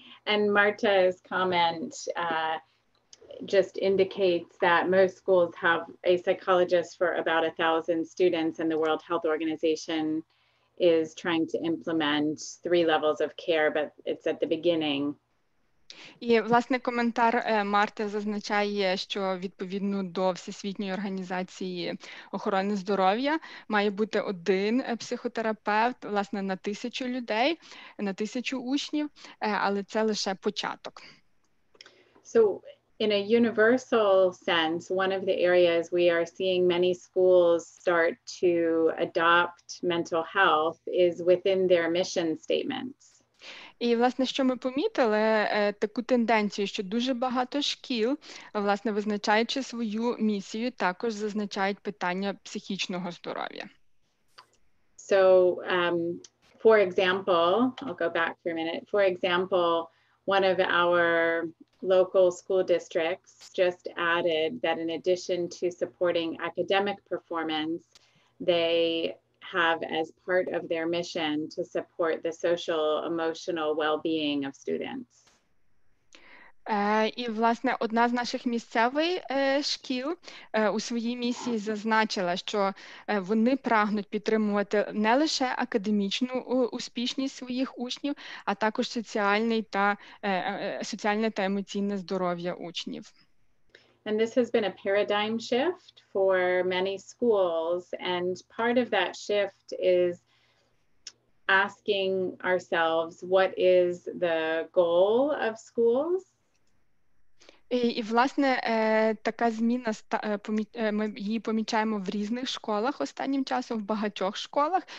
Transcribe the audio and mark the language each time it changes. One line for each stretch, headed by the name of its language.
English: And Marta's comment just indicates that most schools have a psychologist for about 1,000 students, and the World Health Organization is trying to implement 3 levels of care, but it's at the beginning.
Ukrainian: І, власне, коментар Марти зазначає, що відповідно до Всесвітньої організації охорони здоров'я має бути один психотерапевт, власне, на 1000 людей, на 1000 учнів, але це лише початок.
English: So, in a universal sense, one of the areas we are seeing many schools start to adopt mental health is within their mission statements.
Ukrainian: І, власне, що ми помітили, таку тенденцію, що дуже багато шкіл, власне, визначаючи свою місію, також зазначають питання психічного здоров'я.
English: So, for example, I'll go back for a minute. For example, one of our local school districts just added that in addition to supporting academic performance, they have as part of their mission to support the social emotional well-being of students.
Ukrainian: І, власне, одна з наших місцевих шкіл у своїй місії зазначила, що вони прагнуть підтримувати не лише академічну успішність своїх учнів, а також соціальне та емоційне здоров'я учнів.
English: And this has been a paradigm shift for many schools. And part of that shift is asking ourselves, what is the goal of schools?
Ukrainian: І, власне, така зміна, ми її помічаємо в різних школах останнім часом, в багатьох школах.